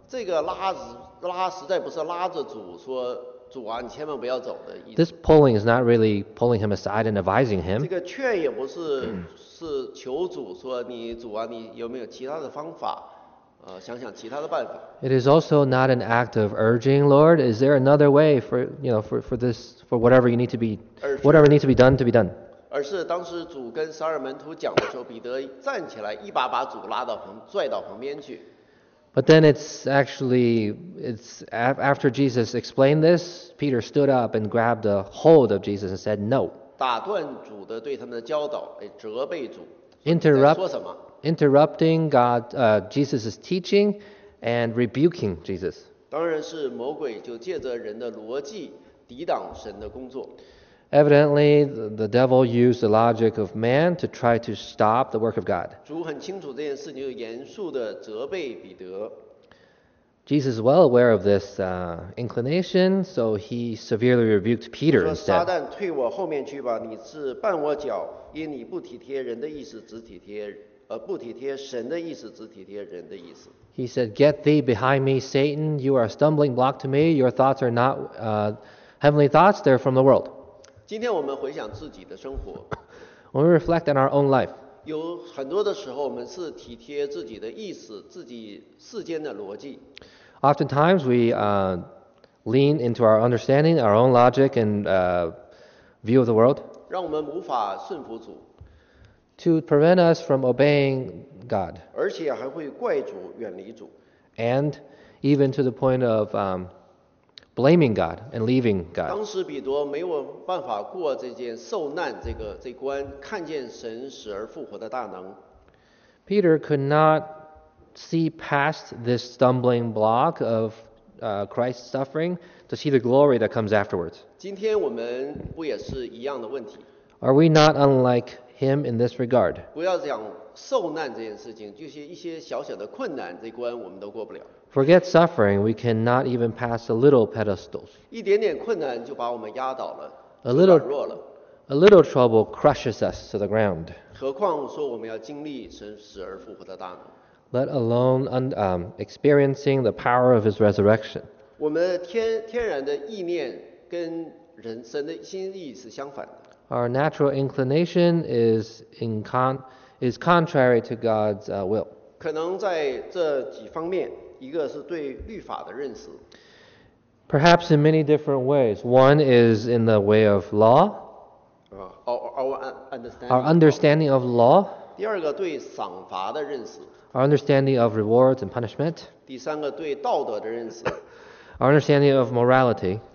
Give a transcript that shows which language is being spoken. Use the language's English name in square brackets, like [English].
[Chinese] 这个拉实在不是拉着主说。主啊，你千万不要走的意思。 [English] This pulling is not really pulling him aside and advising him. [Chinese] 这个劝也不是是求主说你主啊，你有没有其他的方法？想想其他的办法。 [English] It is also not an act of urging, Lord. Is there another way for you know for this for whatever you need to be whatever needs to be done to be done? [Chinese] 而是当时主跟十二门徒讲的时候，彼得站起来一把把主拉到拽到旁边去。 [English] But then it's after Jesus explained this, Peter stood up and grabbed a hold of Jesus and said, no. [Chinese] 打断主的对他们的教导，来责备主。 [English] Interrupting God, Jesus' teaching and rebuking Jesus. [Chinese] 当然是魔鬼就借着人的逻辑抵挡神的工作。 [English] Evidently, the devil used the logic of man to try to stop the work of God. [Chinese] 主很清楚这件事，就严肃地责备彼得。 [English] Jesus is well aware of this inclination, so he severely rebuked Peter instead. [Chinese] 撒旦，退我后面去吧！你是绊我脚，因你不体贴人的意思，只体贴不体贴神的意思，只体贴人的意思。 [English] He said, "Get thee behind me, Satan! You are a stumbling block to me. Your thoughts are not heavenly thoughts; they're from the world." [Chinese] 今天我们回想自己的生活。 [English] When we reflect on our own life. [Chinese] 有很多的时候，我们是体贴自己的意思，自己世间的逻辑。 [English] Oftentimes we lean into our understanding, our own logic and view of the world. [Chinese] 让我们无法顺服主。 [English] To prevent us from obeying God. [Chinese] 而且还会怪主，远离主。 [English] And even to the point of blaming God and leaving God. [Chinese] 当时彼得没有办法过这件受难这关，看见神死而复活的大能。 [English] Peter could not see past this stumbling block of Christ's suffering to see the glory that comes afterwards. [Chinese] 今天我们不也是一样的问题？ [English] Are we not unlike him in this regard. [Chinese] 不要讲受难这件事情，就是一些小小的困难，这关我们都过不了。 [English] Forget suffering, we cannot even pass the little pedestals. [Chinese] 一点点困难就把我们压倒了， [English] a little, [Chinese] 就软弱了。 [English] A little trouble crushes us to the ground. [Chinese] 何况说我们要经历神死而复活的大能。 [English] Let alone experiencing the power of his resurrection. [Chinese] 我们天然的意念跟人生的心意是相反的。 [English] Our natural inclination is contrary to God's will. [Chinese] 可能在这几方面，一个是对律法的认识。 [English] Perhaps in many different ways. One is in the way of law. Our understanding of law. [Chinese] 第二个对赏罚的认识。 [English] Our understanding of rewards and punishment. [Chinese] 第三个对道德的认识。 [English] Our understanding of morality.